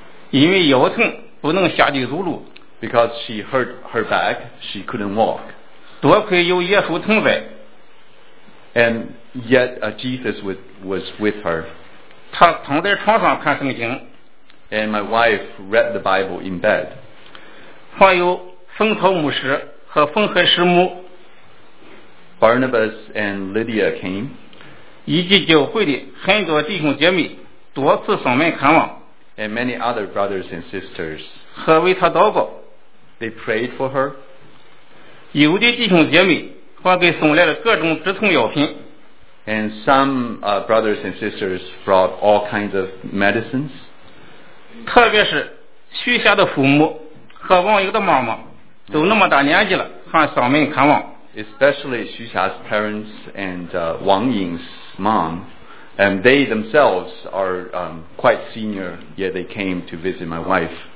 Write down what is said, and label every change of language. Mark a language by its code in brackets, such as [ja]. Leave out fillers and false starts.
[zh] 因为腰疼不能下地走路。 [en] Because she hurt her back, she couldn't walk. [zh] 多亏有耶稣同在。 [en] And yet Jesus was with her. [zh] 她躺在床上看圣经。 [en] And my wife read the Bible in bed. [zh] 还有冯涛牧师和冯海师母。 [en] Barnabas and Lydia came. [zh] 以及教会的很多弟兄姐妹多次上门看望。 [en] And many other brothers and sisters. [zh] 和为她祷告。 [en] They prayed for her. [zh] 有的弟兄姐妹还给送来了各种止痛药品。 [en] And some brothers and sisters brought all kinds of medicines. [zh] 特别是徐霞的父母和王友的妈妈都那么大年纪了还上门看望。 [en] Especially Xu Xia's parents and Wang Ying's mom, and they themselves are quite senior, yet they came to visit my wife.